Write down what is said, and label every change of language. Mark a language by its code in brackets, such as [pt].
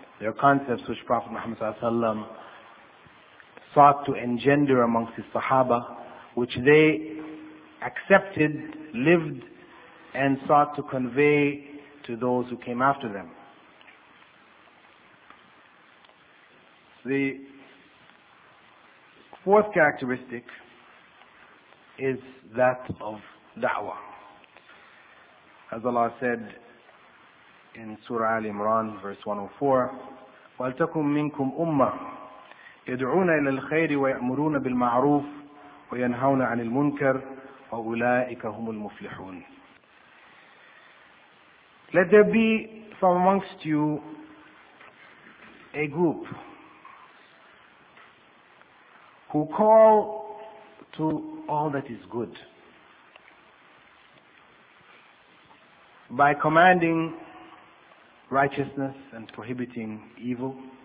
[en] They are concepts which Prophet Muhammad Sallallahu Alaihi Wasallam sought to engender amongst his Sahaba, which they accepted, lived, and sought to convey to those who came after them. The fourth characteristic is that of da'wah. As Allah said in Surah Ali Imran, verse 104, [ar] وَلْتَكُمْ مِنْكُمْ أُمَّةٌ يَدْعُونَ إِلَى الْخَيْرِ وَيَأْمُرُونَ بِالْمَعْرُوفِ وَيَنْهَوْنَ عَنِ الْمُنْكَرِ وَأُولَٰئِكَ هُمُ الْمُفْلِحُونَ. [en] Let there be from amongst you a group who call to all that is good by commanding righteousness and prohibiting evil.